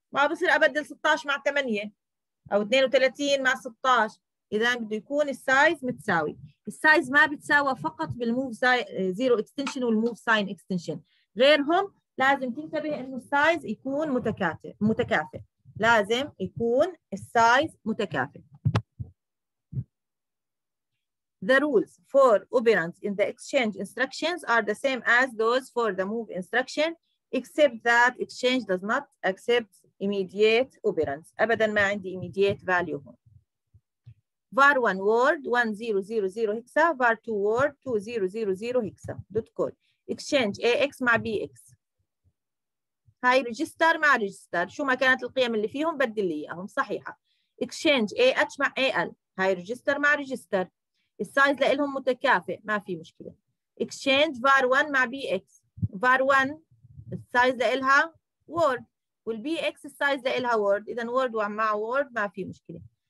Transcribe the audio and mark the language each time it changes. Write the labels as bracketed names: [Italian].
[Arabic] ما بصير ابدل 16 مع 8 او 32 مع 16، إذا بده يكون السايز متساوي. السايز ما بتساوى فقط بالموف زيرو اكستنشن والموف ساين اكستنشن، غيرهم لازم تنتبه انه السايز يكون متكاتف متكافئ، لازم يكون السايز متكافئ. [English] The rules for operands in the exchange instructions are the same as those for the move instruction except that exchange does not accept immediate operands. [Arabic] ابدا ما عندي immediate value هون. [English] var1 word 1000 هكسا، var2 word 2000 هكسا. [Arabic] دوت كود exchange ax مع bx، هاي register مع register، شو ما كانت القيم اللي فيهم بدل لي اياهم، صحيحه. exchange ah مع al، هاي register مع register، السايز لهم متكافئ ما في مشكله. exchange var1 مع bx، var1 السايز لها word والbx السايز لها word، اذا word مع word ما في مشكله.